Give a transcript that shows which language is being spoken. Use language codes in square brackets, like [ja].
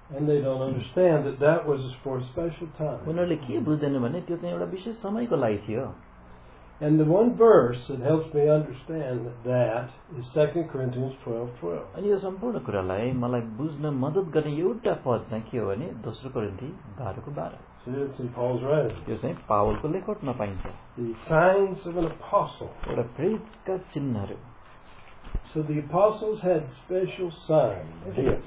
[en] And they don't understand that was for a special time. [ne] उनीहरूले के बुझ्दैन भने त्यो चाहिँ एउटा विशेष समयको लागि थियो. [en] And the one verse that helps me understand that is 2 Corinthians 12:12. [ne] अनि यो सम्पूर्ण कुरालाई मलाई बुझ्न मदत गर्ने एउटा पद चाहिँ के हो भने 2 Corinthians 12:12. त्यो चाहिँ पावलको लेखोटमा पाइन्छ. [en] The signs of an apostle. [ne] एउटा प्रेरितका चिन्हहरू. [en] So the apostles had special signs.